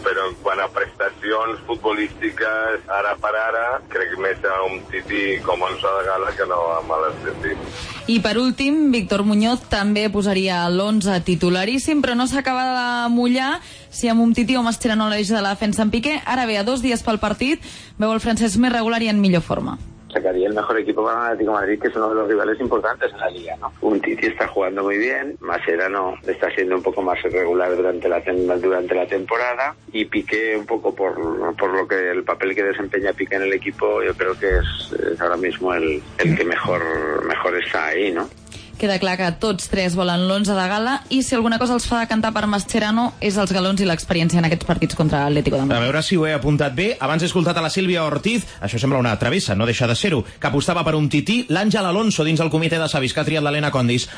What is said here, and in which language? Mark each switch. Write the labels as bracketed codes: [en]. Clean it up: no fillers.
[ca] Però quant a prestacions futbolístiques, ara per ara, crec més a Umtiti com a onze de gala que no a l'Atlètic. I per últim, Víctor Muñoz també posaria l'11 titularíssim, però no s'acaba de mullar si amb Umtiti o Mascherano l'eix de la defensa en Piqué. Ara bé, a dos dies pel partit, veu el francès més regular i en millor forma. [es] Sacaría el mejor equipo para el Atlético de Madrid, que es uno de los rivales importantes en la liga, ¿no? Umtiti está jugando muy bien, Mascherano está siendo un poco más irregular durante la temporada, y Piqué, un poco por lo que el papel que desempeña Piqué en el equipo, yo creo que es ahora mismo el que mejor está ahí, ¿no? [ca] Queda clar que tots tres volen l'11 de gala i si alguna cosa els fa decantar per Mascherano és els galons i l'experiència en aquests partits contra l'Atlético de Madrid. A veure si ho he apuntat bé. Abans he escoltat a la Sílvia Ortiz, això sembla una travessa, no deixa de ser-ho, que apostava per Umtiti, l'Àngel Alonso dins el comitè de savis que ha triat l'Helena Condis.